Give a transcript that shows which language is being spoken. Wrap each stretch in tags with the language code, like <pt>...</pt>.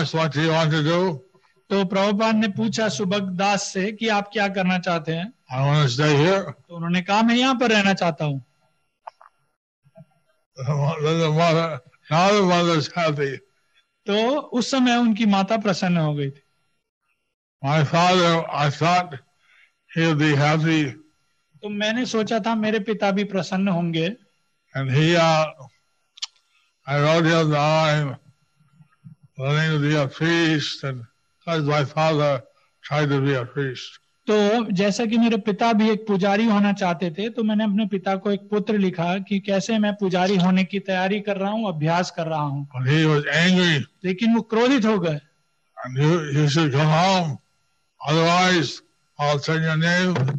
<hi>तो प्रभुपाद ने पूछा सुभग दास से कि आप क्या करना चाहते हैं?</hi> <en>I want to stay here.</en> <hi>तो उन्होंने कहा मैं यहाँ पर रहना चाहता हूँ. तो उस समय उनकी माता प्रसन्न हो गई थी.</hi> <en>My father, I thought he'll be happy.</en> <hi>तो मैंने सोचा था मेरे पिता भी प्रसन्न होंगे.</hi> <en>And he, I wrote him that I'm willing to be a priest, and as my father tried to be a priest.</en> <hi>तो जैसा कि मेरे पिता भी एक पुजारी होना चाहते थे, तो मैंने अपने पिता को एक पुत्र लिखा कि कैसे मैं पुजारी होने की तैयारी कर रहा हूँ, अभ्यास कर रहा हूँ.</hi> <en>But he was angry.</en> <hi>लेकिन वो क्रोधित हो गए.</hi> <en>And he said, "Come home, otherwise I'll send your name."</en>